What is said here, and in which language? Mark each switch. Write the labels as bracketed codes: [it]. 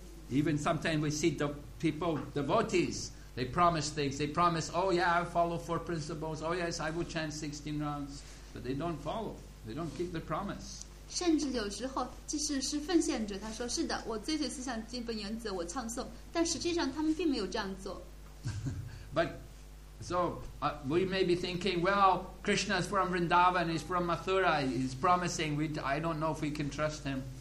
[en] Even sometimes we see the people, devotees, they promise things. They promise, oh yeah, I follow four principles. Oh yes, I will chant 16 rounds. But they don't follow. They don't keep the promise. [zh] 甚至有时候，即使是奉献者，他说，是的，我追随四项基本原则，我唱诵。但实际上他们并没有这样做。 [en] But, so, we may be thinking, well, Krishna is from Vrindavan, he's from Mathura, he's promising, I don't know if we can trust him.